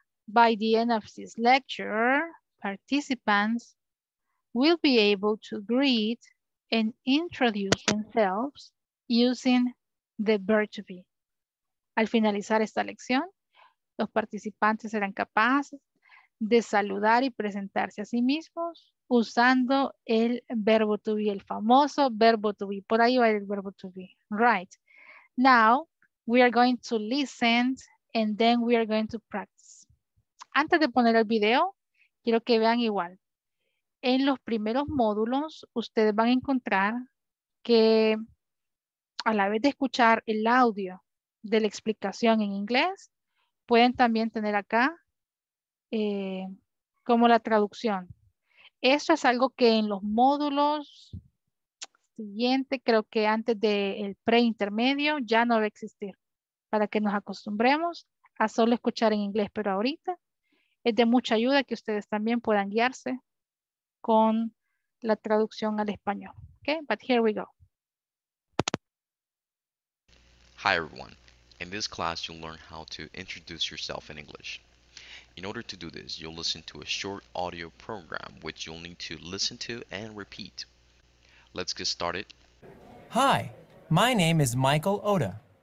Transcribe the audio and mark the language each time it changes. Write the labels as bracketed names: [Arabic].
[English] By the end of this lecture, participants will be able to greet and introduce themselves using the verb to be. [Spanish] Al finalizar esta lección, los participantes serán capaces de saludar y presentarse a sí mismos usando el verbo to be, el famoso verbo to be. Por ahí va el verbo to be. Right. [English] Now, we are going to listen and then we are going to practice. [Spanish] Antes de poner el video, quiero que vean igual. En los primeros módulos, ustedes van a encontrar que a la vez de escuchar el audio de la explicación en inglés, pueden también tener acá como la traducción. Eso es algo que en los módulos siguientes, creo que antes del preintermedio, ya no va a existir. Para que nos acostumbremos a solo escuchar en inglés, pero ahorita es de mucha ayuda que ustedes también puedan guiarse con la traducción al español. [English] Okay, but here we go. Hi everyone. In this class, you'll learn how to introduce yourself in English. In order to do this, you'll listen to a short audio program, which you'll need to listen to and repeat. Let's get started. Hi, my name is Michael Oda.